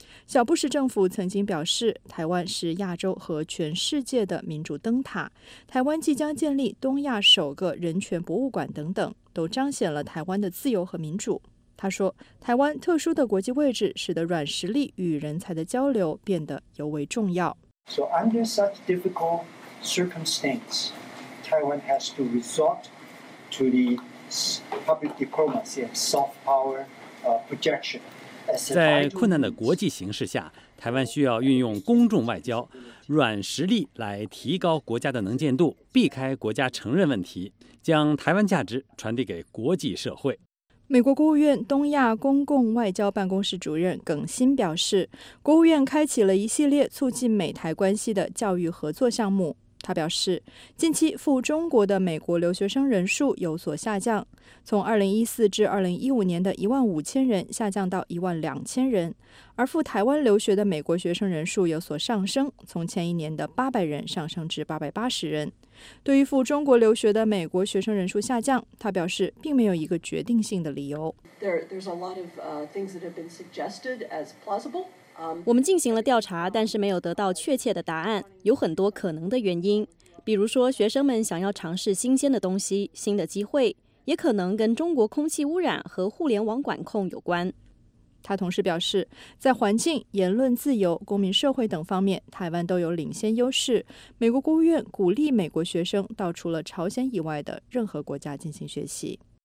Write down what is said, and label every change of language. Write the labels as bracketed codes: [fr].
[zh] 小布什政府曾经表示，台湾是亚洲和全世界的民主灯塔，台湾即将建立东亚首个人权博物馆等等，都彰显了台湾的自由和民主。他说，台湾特殊的国际位置使得软实力与人才的交流变得尤为重要。 [en] So under such difficult circumstances, Taiwan has to resort to the public diplomacy and soft power projection. [zh] 在困难的国际形势下，台湾需要运用公众外交、软实力来提高国家的能见度，避开国家承认问题，将台湾价值传递给国际社会。美国国务院东亚公共外交办公室主任耿新表示，国务院开启了一系列促进美台关系的教育合作项目。他表示，近期赴中国的美国留学生人数有所下降，从2014至2015年的15000人下降到12000人，而赴台湾留学的美国学生人数有所上升，从前一年的800人上升至880人。对于赴中国留学的美国学生人数下降，他表示并没有一个决定性的理由。 [en] There's a lot of things that have been suggested as plausible. [zh] 我们进行了调查，但是没有得到确切的答案，有很多可能的原因，比如说学生们想要尝试新鲜的东西、新的机会，也可能跟中国空气污染和互联网管控有关。他同时表示，在环境、言论自由、公民社会等方面，台湾都有领先优势，美国国务院鼓励美国学生到除了朝鲜以外的任何国家进行学习。